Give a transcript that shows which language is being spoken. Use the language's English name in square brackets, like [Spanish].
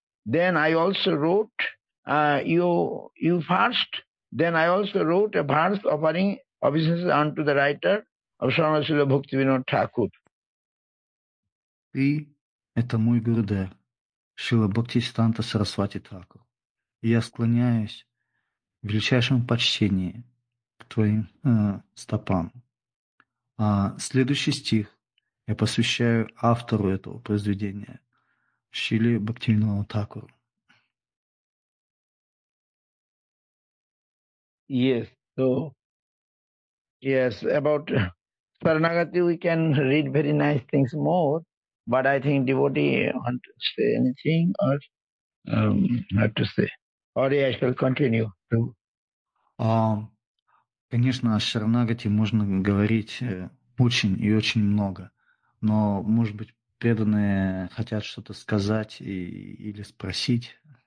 [English] Then I also wrote you first. Then I also wrote a verse offering obeisances unto the writer of Sarana Srila Bhaktivinoda Thakur. [Russian] Ты — это мой Гурудев, Шрила Бхактисиддханта Сарасвати Тхакур. И я склоняюсь в величайшем почтении к твоим стопам. А следующий стих я посвящаю автору этого произведения, Шиле Бхактивинода Тхакуру. [English] Yes, so yes, about Saranagati we can read very nice things more, but I think devotee want to say anything or not to say. Or yeah, I shall continue to. [Russian] Конечно, о Шаранагати можно говорить очень и очень много. Но, может быть, преданные хотят что-то сказать или спросить.